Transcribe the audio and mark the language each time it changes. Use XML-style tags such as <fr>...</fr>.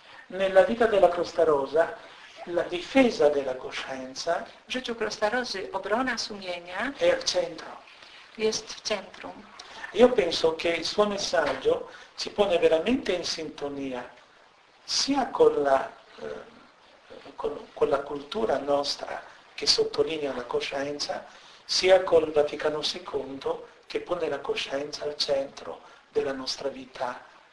<it>Nella vita della Costa Rosa, la difesa della coscienza,</it> <pl>w życiu Costa Rosy, obrona sumienia</pl> <it>è al centro.</it> <pl>Jest w centrum.</pl> <it>Io penso che il suo messaggio ci pone veramente in sintonia sia con la cultura nostra che sottolinea la coscienza, sia col Vaticano II che pone la coscienza al centro della nostra vita.</it>